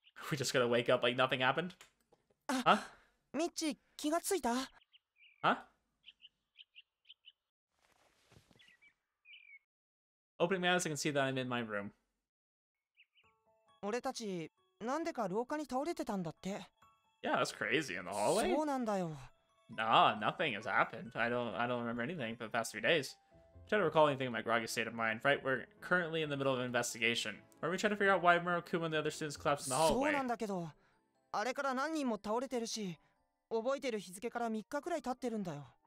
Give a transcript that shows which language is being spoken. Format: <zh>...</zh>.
<en>We just gotta wake up like nothing happened? Huh?</en> <ja>Michi, 気がついた?</ja> <en>Huh? Opening my eyes, I can see that I'm in my room.</en> <ja>俺たち、なんでか廊下に倒れてたんだって?</ja> <en>Yeah, that's crazy. In the hallway?</en> <ja>そうなんだよ。</ja> <en>Nah, nothing has happened. I don't remember anything for the past 3 days. I'm trying to recall anything in my groggy state of mind. Right, we're currently in the middle of an investigation. Are we trying to figure out why Murakuma and the other students collapsed in the hallway?</en> <ja>そうなんだけど。あれから何人も倒れてるし、覚えてる日付から3日くらい経ってるんだよ。</ja>